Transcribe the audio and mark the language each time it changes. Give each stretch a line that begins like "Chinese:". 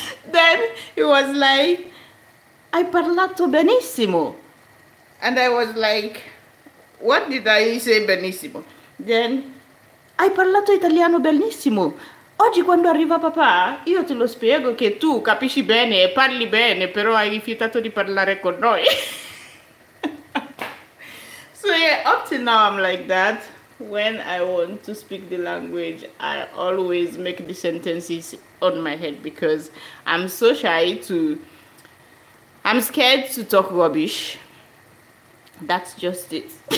English: Then he was like, I
Italian: parlato benissimo.
English: And I was like, what did I say benissimo?
Italian: Then, hai parlato italiano benissimo. Oggi quando arriva papà, io te lo spiego che tu capisci bene e parli bene, però hai rifiutato di parlare con noi.
English: So yeah, up to now I'm like that. When I want to speak the language, I always make the sentences on my head because I'm so shy to... I'm scared to talk rubbish. That's just it.